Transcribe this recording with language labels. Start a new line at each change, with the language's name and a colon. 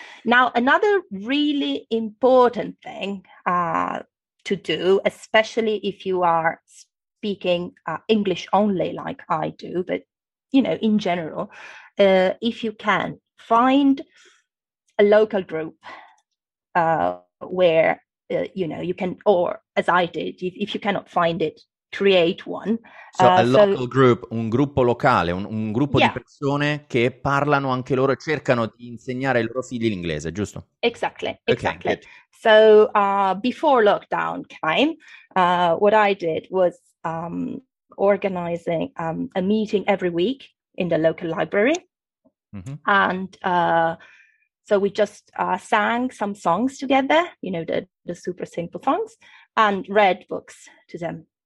English: Now, another really important thing to do, especially if you are speaking English only like I do, but you know, in general, if you can find a local group where you know you can, or as I did, if you cannot find it, create one. So a local group,
Italian: un gruppo locale, un gruppo di persone che parlano anche loro e cercano di insegnare ai loro figli l'inglese, giusto?
English: Exactly. Exactly. Okay, so before lockdown came, what I did was organizing a meeting every week in the local library, mm-hmm. and so we just sang some songs together, you know, the super simple songs, and read books to them.